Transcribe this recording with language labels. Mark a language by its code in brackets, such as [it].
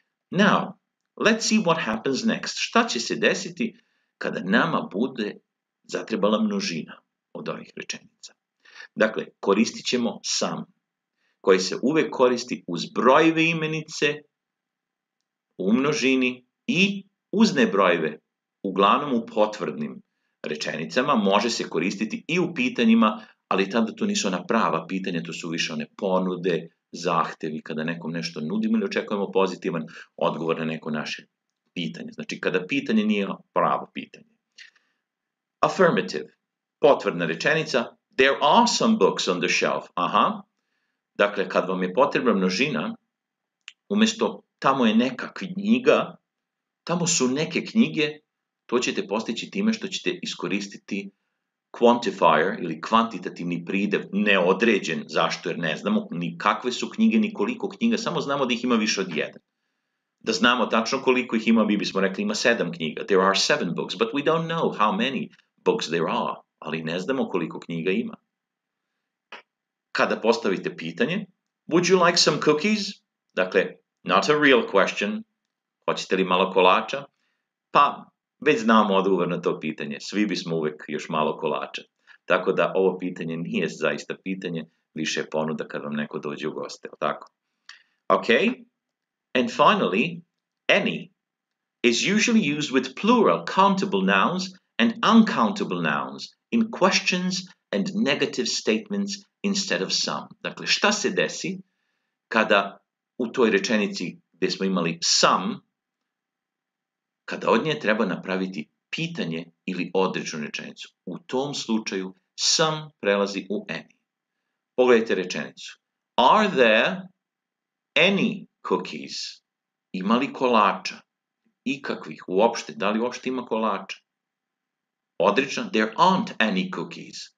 [en] Now, let's see what happens next. [sr] Šta će se desiti kada nama bude zatrebala množina od ovih rečenica? Dakle, koristit ćemo sam, koji se uvek koristi uz brojeve imenice u množini i uz nebrojeve, uglavnom u potvrdnim rečenicama, može se koristiti i u pitanjima, ali tada to nisu ona prava pitanja, to su više one ponude, zahtevi, kada nekom nešto nudimo ili očekujemo pozitivan odgovor na neko naše pitanje. Znači, kada pitanje nije pravo pitanje. [en] Affirmative, [sr] potvrdna rečenica, [en] there are some books on the shelf. [sr] Aha. Dakle, kad vam je potrebna množina, umjesto tamo je neka knjiga, tamo su neke knjige, to ćete postići time što ćete iskoristiti quantifier ili kvantitativni pridev neodređen. Zašto? Jer ne znamo ni kakve su knjige, ni koliko knjiga, samo znamo da ih ima više od jedan. Da znamo tačno koliko ih ima, bismo rekli ima sedam knjiga. [en] There are seven books, but we don't know how many books there are. [sr] Ali ne znamo koliko knjiga ima. Kada postavite pitanje, [en] would you like some cookies? [sr] Dakle, [en] not a real question. [sr] Hoćete li malo kolača? Pa, već znamo odgovor na to pitanje. Svi bismo uvek još malo kolača. Tako da ovo pitanje nije zaista pitanje, više je ponuda kad vam neko dođe u goste. Tako. [en] Ok, and finally, any is usually used with plural countable nouns and uncountable nouns in questions and negative statements instead of some. [sr] Dakle, šta se desi kada u toj rečenici gde smo imali some, kada od nje treba napraviti pitanje ili određenu rečenicu? U tom slučaju some prelazi u any. Pogledajte rečenicu. [en] Are there any cookies? [sr] Ima li kolača? Ikakvih, uopšte, da li uopšte ima kolača? Odrično, [en] there aren't any cookies.